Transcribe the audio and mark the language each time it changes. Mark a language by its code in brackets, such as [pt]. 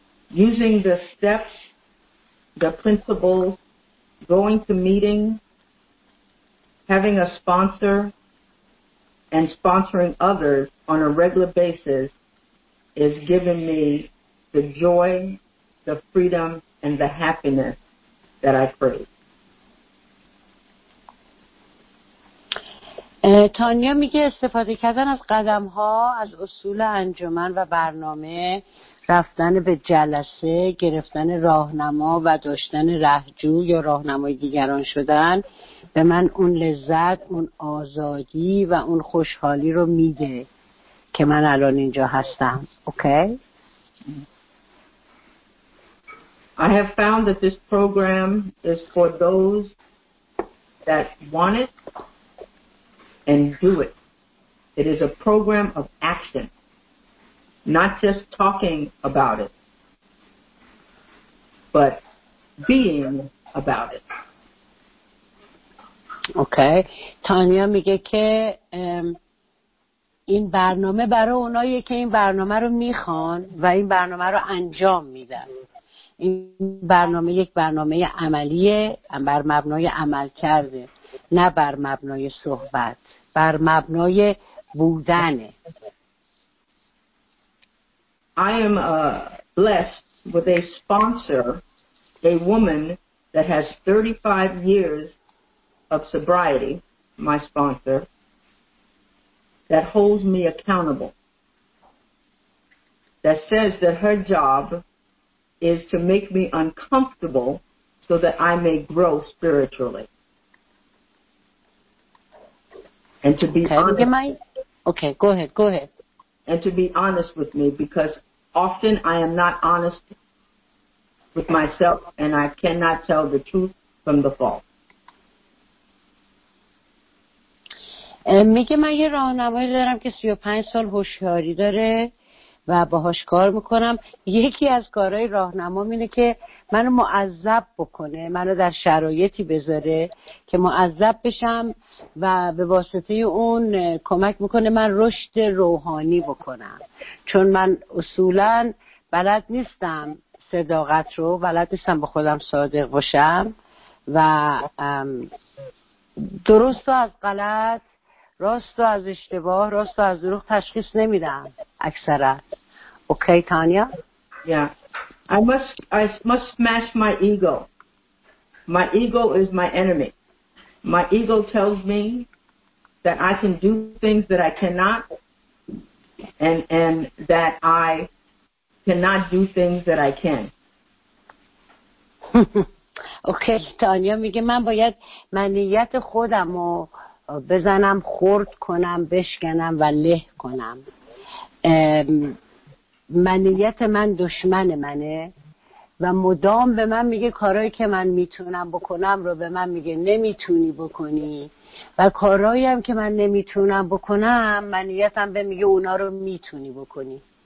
[en] Using the steps, the principles, going to meeting, having a sponsor, and sponsoring others on a regular basis is giving me the joy, the freedom, and the happiness that I crave. [fa] تانیا میگه استفاده کردن از قدم ها، از اصول انجمن و برنامه، رفتن به جلسه، گرفتن راهنما و داشتن رهجو یا راهنمای دیگران شدن به من اون لذت، اون آزادی و اون خوشحالی رو میده که من الان اینجا هستم. اوکی؟ [en] I have found that this program is for those that want it and do it. It is a program of action, not just talking about it, but being about it. Okay. [fa] تانیا میگه که این برنامه برای اونایی که این برنامه رو میخوان و این برنامه رو انجام میدن. این برنامه یک برنامه عملیه، بر مبنای عمل کرده، نه بر مبنای صحبت. بر مبنای بودنه. [en] I am blessed with a sponsor, a woman that has 35 years of sobriety, my sponsor, that holds me accountable, that says that her job is to make me uncomfortable so that I may grow spiritually. And to be Go ahead. And to be honest with me, because often I am not honest with myself and I cannot tell the truth from the false. [fa] میگه من یه راهنمایی دارم که 35 سال هوشیاری داره و باهاش کار میکنم. یکی از کارهای راهنمام اینه که منو معذب بکنه، منو در شرایطی بذاره که معذب بشم و به واسطه اون کمک میکنه من رشد روحانی بکنم، چون من اصولا بلد نیستم صداقت رو، بلد نیستم به خودم صادق باشم و درست و از غلط، راست و از اشتباه، راست و از دروغ تشخیص نمیدم اکثرا. اوکی تانیا؟ [en] I must smash my ego. My ego is my enemy. My ego tells me that I can do things that I cannot and that I cannot do things that I can. [fa] اوکی تانیا میگه من باید منیت خودم رو بزنم، خورد کنم، بشکنم و له کنم. منیت من دشمن منه و مدام به من میگه کارهایی که من میتونم بکنم رو به من میگه نمیتونی بکنی و کارهایی هم که من نمیتونم بکنم منیتم به میگه اونا رو میتونی بکنی.